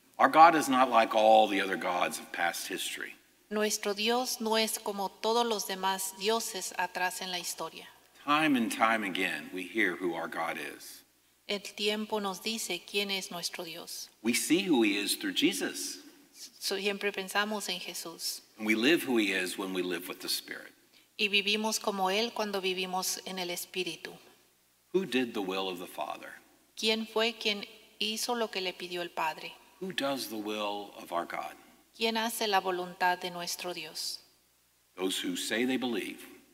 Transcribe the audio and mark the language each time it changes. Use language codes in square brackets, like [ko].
[en] Our God is not like all the other gods of past history. [es] Nuestro Dios no es como todos los demás dioses atrás en la historia. [en] Time and time again, we hear who our God is. [es] El tiempo nos dice quién es nuestro Dios. [en] We see who he is through Jesus. [es] Siempre pensamos en Jesús. [en] And we live who he is when we live with the Spirit. [es] Y vivimos como él cuando vivimos en el Espíritu. [en] Who did the will of the Father? [es] ¿Quién fue quien hizo lo que le pidió el Padre? [en] Who does the will of our God? [es] ¿Quién hace la voluntad de nuestro Dios? [en] Those who say they believe.